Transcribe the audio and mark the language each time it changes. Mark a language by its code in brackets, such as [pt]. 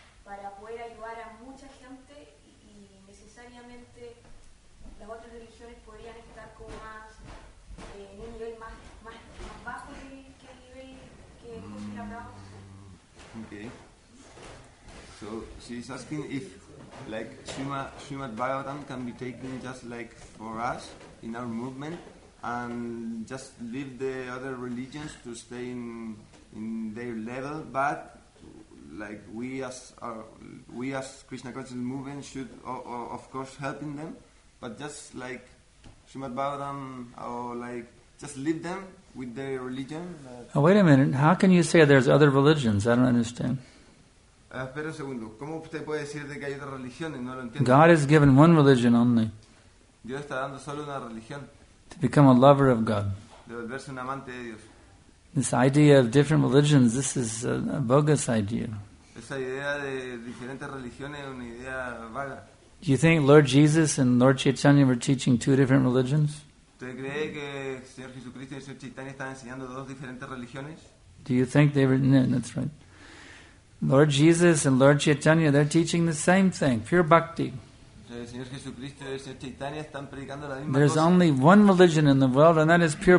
[es] para poder ayudar a mucha gente y necesariamente las otras religiones podrían estar como más en un nivel más bajo que el nivel que José hablaba. [en] Okay. So she's asking if like Srimad Bhagavatam can be taken just like for us in our movement and just leave the other religions to stay in their level, but like we as Krishna consciousness movement should of course helping them, but just like Srimad Bhagavatam or like just leave them with their religion. Oh, wait a minute, how can you say there's other religions? I don't understand. [es] Espera un segundo. ¿Cómo usted puede decir de que hay otras religiones? No lo entiendo. [en] God has given one religion only. [es] Dios está dando solo una religión. [en] To become a lover of God. [es] De volverse un amante de Dios. [en] This idea of different religions, this is a bogus idea. [es] Esa idea de diferentes religiones es una idea vaga. [en] Do you think Lord Jesus and Lord Chaitanya were teaching two different religions? [es] ¿Usted cree que el Señor Jesucristo y el Señor Chaitanya estaban enseñando dos diferentes religiones? [en] Do you think they were? No, that's right. Lord Jesus and Lord Chaitanya, they're teaching the same thing, pure bhakti. There's only one religion in the world, and that is pure